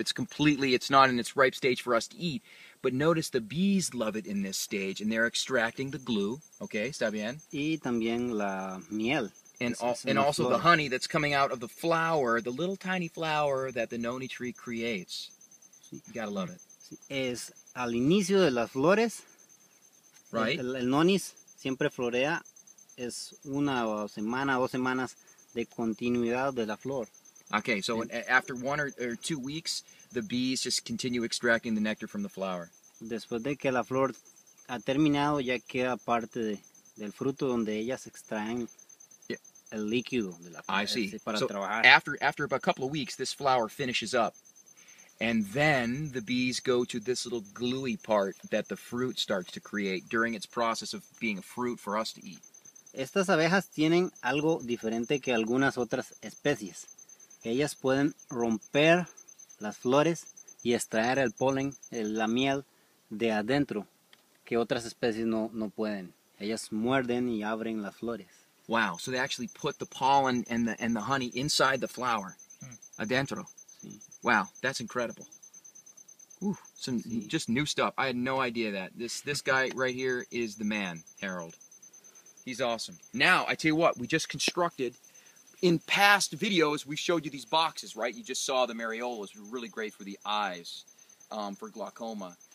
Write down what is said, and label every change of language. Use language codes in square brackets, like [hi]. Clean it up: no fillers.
[en] It's completely, it's not in its ripe stage for us to eat. But notice the bees love it in this stage, and they're extracting the glue. [es] Okay, está bien? Y también la miel. [en] And also the honey that's coming out of the flower, the little tiny flower that the noni tree creates. You gotta love it. [es] Es al inicio de las flores. [en] Right. [es] El nonis siempre florea. Es una semana, dos semanas de continuidad de la flor. [en] Okay, so after 1 or 2 weeks, the bees just continue extracting the nectar from the flower. [es] Después de que la flor ha terminado, ya queda parte del fruto donde ellas extraen el líquido de la flor. [en] I see. [es] Para [en] so [es] trabajar. [en] After about a couple of weeks, this flower finishes up. And then the bees go to this little gluey part that the fruit starts to create during its process of being a fruit for us to eat. [es] Estas abejas tienen algo diferente que algunas otras especies. Ellas pueden romper las flores y extraer el polen, la miel, de adentro, que otras especies no pueden. Ellas muerden y abren las flores. [en] Wow, so they actually put the pollen and the honey inside the flower, adentro. [es] Sí. [en] Wow, that's incredible. Ooh, some sí. Just new stuff. I had no idea that. This guy right here is the man, Harold. He's awesome. Now, I tell you what, we just constructed, in past videos, we showed you these boxes, right? You just saw the Mariolas, really great for the eyes, for glaucoma.